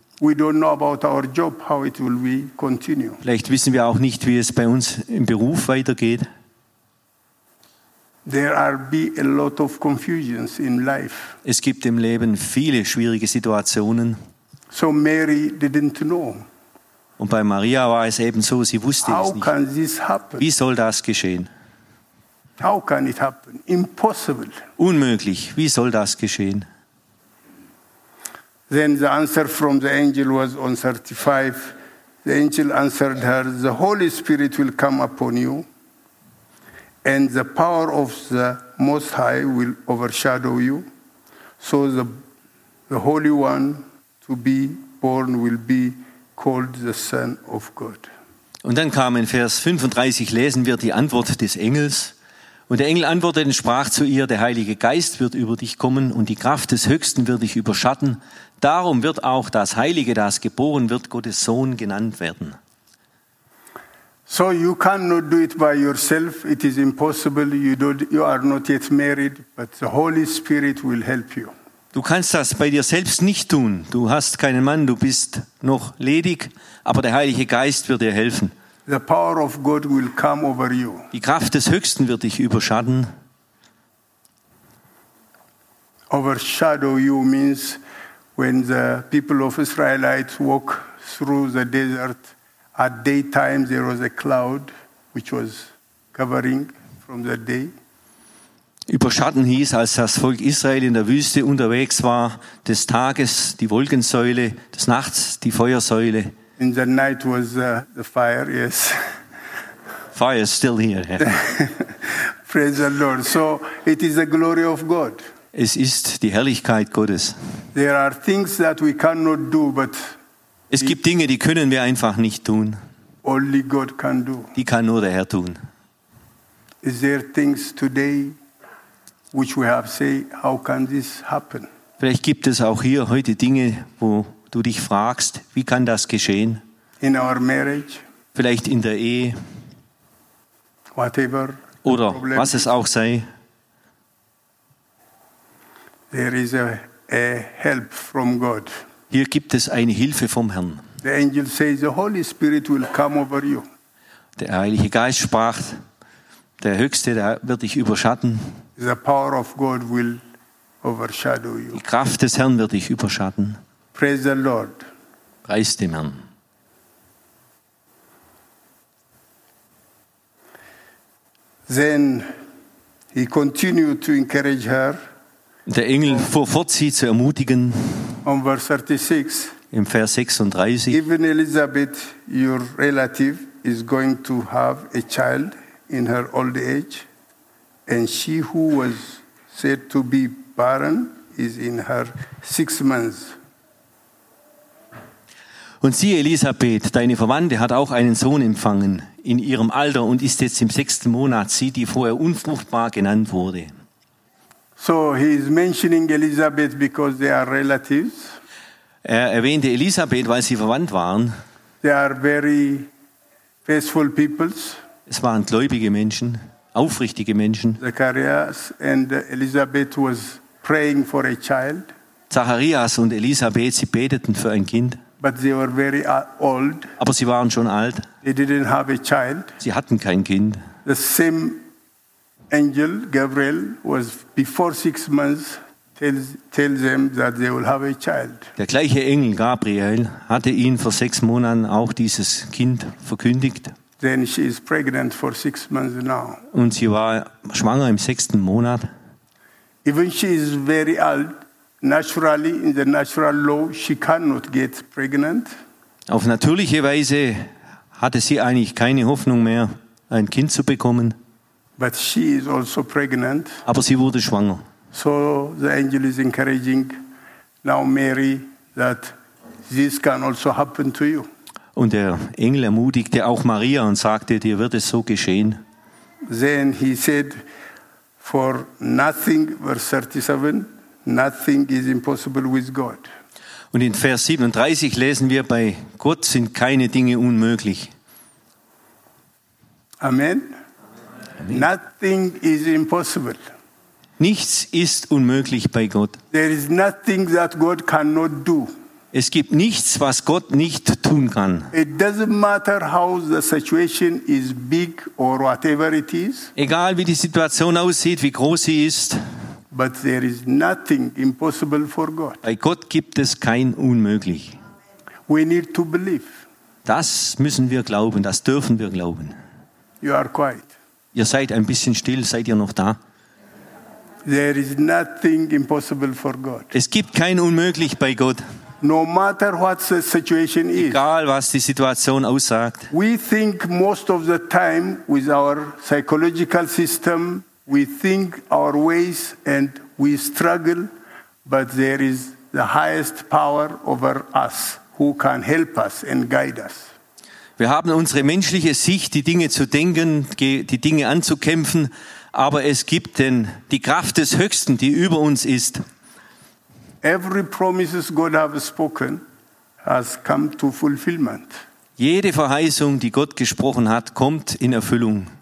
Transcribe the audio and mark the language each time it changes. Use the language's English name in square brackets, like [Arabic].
[English] We don't know about our job, how it will be continue. [German] Vielleicht wissen wir auch nicht, wie es bei uns im Beruf weitergeht. [English] There are be a lot of confusions in life. [German] Es gibt im Leben viele schwierige Situationen. [English] So Mary didn't know. [German] Und bei Maria war es eben so, sie wusste [English] how [German] es nicht. [English] Can this happen? [German] Wie soll das geschehen? [English] How can it happen? Impossible. [German] Unmöglich. Wie soll das geschehen? [English] Then the answer from the angel was on 35. The angel answered her, "The Holy Spirit will come upon you, and the power of the Most High will overshadow you. So the Holy One to be born will be called the Son of God." [German] Und dann kam in Vers 35, lesen wir die Antwort des Engels. Und der Engel antwortete und sprach zu ihr, der Heilige Geist wird über dich kommen und die Kraft des Höchsten wird dich überschatten. Darum wird auch das Heilige, das geboren wird, Gottes Sohn genannt werden. [English] So you cannot do it by yourself. It is impossible. You are not yet married, but the Holy Spirit will help you. [German] Du kannst das bei dir selbst nicht tun. Du hast keinen Mann, du bist noch ledig, aber der Heilige Geist wird dir helfen. [English] The power of God will come over you. [German] Die Kraft des Höchsten wird dich überschatten. [English] Overshadow you means when the people of Israelites walk through the desert at daytime there was a cloud which was covering from the day. [German] Überschatten hieß, als das Volk Israel in der Wüste unterwegs war, des Tages die Wolkensäule, des Nachts die Feuersäule. [English] In the night was the fire, yes. Fire is still here. Yeah. Praise the Lord. So it is the glory of God. [German] Es ist die Herrlichkeit Gottes. [English] There are things that we cannot do, but [German] es gibt Dinge, die können wir einfach nicht tun. [English] Only God can do. [German] Die kann nur der Herr tun. [English] Is there things today which we have say, how can this happen? [German] Vielleicht gibt es auch hier heute Dinge, wo du dich fragst, wie kann das geschehen? [English] In our marriage, [German] vielleicht in der Ehe. [English] Whatever [German] oder problem was es auch sei. [English] There is a help from God. [German] Hier gibt es eine Hilfe vom Herrn. [English] The angel says the Holy Spirit will come over you. [German] Der Heilige Geist sprach, der Höchste wird dich überschatten. [English] The power of God will overshadow you. [German] Die Kraft des Herrn wird dich überschatten. [English] Praise the Lord. [German] Preis dem Herrn. [English] Then he continued to encourage her. [German] Der Engel fuhr fort, sie zu ermutigen. [English] On verse 36. [German] Im Vers 36. [English] Even Elizabeth, your relative, is going to have a child in her old age, and she who was said to be barren is in her 6 months. [German] Und sie, Elisabeth, deine Verwandte, hat auch einen Sohn empfangen in ihrem Alter und ist jetzt im 6. Monat, sie, die vorher unfruchtbar genannt wurde. [English] So he is mentioning Elizabeth because they are relatives. [German] Er erwähnte Elisabeth, weil sie verwandt waren. [English] They are very faithful peoples. [German] Es waren gläubige Menschen, aufrichtige Menschen. [English] Zacharias and Elizabeth was praying for a child. [German] Zacharias und Elisabeth, sie beteten für ein Kind. [English] But they were very old. [German] Aber sie waren schon alt. [English] They didn't have a child. [German] Sie hatten kein Kind. [English] The same angel Gabriel was before 6 months tells them that they will have a child. [German] Der gleiche Engel Gabriel hatte ihnen vor 6 Monaten auch dieses Kind verkündigt. [English] Then she is pregnant for 6 months now. [German] Und sie war schwanger im 6. Monat. [English] Even she is very old. Naturally, in the natural law, she cannot get pregnant. [German] Auf natürliche Weise hatte sie eigentlich keine Hoffnung mehr, ein Kind zu bekommen. [English] But she is also pregnant. [German] Aber sie wurde schwanger. [English] So the angel is encouraging now Mary that this can also happen to you. [German] Und der Engel ermutigte auch Maria und sagte, dir wird es so geschehen. [English] Then he said, for nothing, verse 37. Nothing is impossible with God. [German] Und in Vers 37 lesen wir, bei Gott sind keine Dinge unmöglich. [English] Amen. Amen. Nothing is impossible. [German] Nichts ist unmöglich bei Gott. [English] There is nothing that God cannot do. [German] Es gibt nichts, was Gott nicht tun kann. [English] It doesn't matter how the situation is big or whatever it is. [German] Egal wie die Situation aussieht, wie groß sie ist. [English] But there is nothing impossible for God. [German] Bei Gott gibt es kein Unmöglich. [English] We need to believe. [German] Das müssen wir glauben, das dürfen wir glauben. [English] You are quiet. [German] Ihr seid ein bisschen still, seid ihr noch da? [English] There is nothing impossible for God. [German] Es gibt kein Unmöglich bei Gott. [English] No matter what the situation is. [German] Egal was die Situation aussagt. [English] We think most of the time with our psychological system. We think our ways and we struggle, but there is the highest power over us who can help us and guide us. [German] Wir haben unsere menschliche Sicht, die Dinge zu denken, die Dinge anzukämpfen, aber es gibt denn die Kraft des Höchsten, die über uns ist. [English] Every promise God has spoken has come to fulfillment. [German] Jede Verheißung, die Gott gesprochen hat, kommt in Erfüllung.